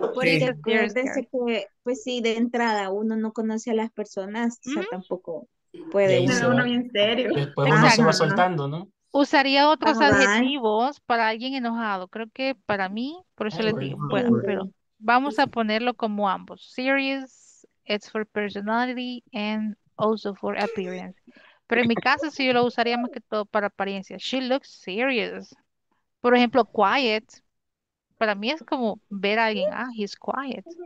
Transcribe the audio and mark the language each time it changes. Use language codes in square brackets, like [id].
[es] Por eso, desde que, pues sí, de entrada uno no conoce a las personas, o sea, tampoco puede. Pero uno bien serio. Después uno se va soltando, ¿no? Usaría otros adjetivos para alguien enojado. Creo que para mí, por eso les digo. Bueno, pero vamos a ponerlo como ambos. [en] Serious, it's for personality and also for appearance. [es] Pero en mi caso, sí, yo lo usaría más que todo para apariencia. [en] She looks serious. [es] Por ejemplo, quiet. Para mí es como ver a alguien, ah, [en] he's quiet.